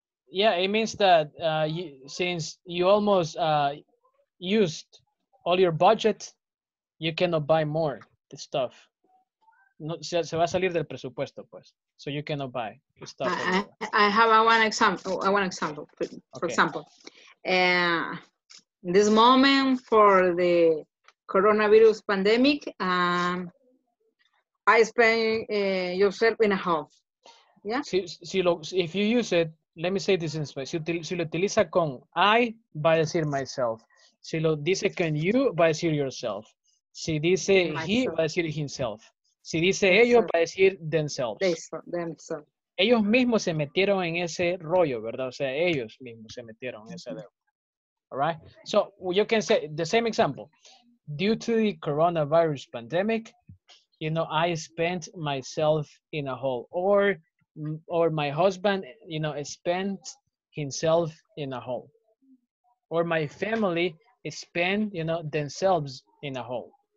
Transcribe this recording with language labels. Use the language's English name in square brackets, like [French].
[English] Yeah, it means that since you almost used all your budget. You cannot buy more the stuff. [Spanish] No, se va a salir del presupuesto, pues. [English] So you cannot buy the stuff. I have one example. For example, this moment for the coronavirus pandemic, I spend yourself in a hole. Yeah. If you use it, let me say this in Spanish. [Spanish] Si lo utiliza con I, va a decir myself. Si lo dice con you, va a decir yourself. Si dice he, va a decir himself. Si dice ellos, va a decir themselves. [English] Themselves. [Spanish] ellos mismos se metieron en ese rollo, ¿verdad? O sea, ellos mismos se metieron en ese deuda. [English] All right? So, you can say the same example. Due to the coronavirus pandemic, you know, I spent myself in a hole. Or my husband, you know, spent himself in a hole. Or my family spent, you know, themselves in a hole.